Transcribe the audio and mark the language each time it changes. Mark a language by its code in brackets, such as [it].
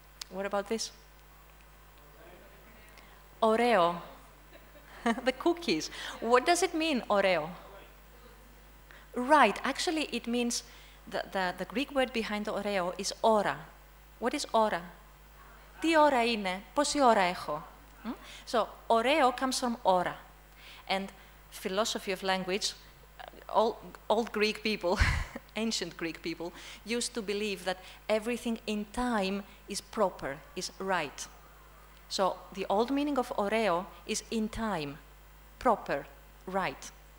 [en] What about this? Oreo. The cookies. What does it mean, Oreo? Right, actually it means the Greek word behind the Oreo is ora. What is ora? [el] Τι ώρα είναι, πόση ώρα έχω. [en] So, Oreo comes from ora. And philosophy of language, old Greek people, ancient Greek people, used to believe that everything in time is proper, is right. So the old meaning of oreo is in time, proper, right.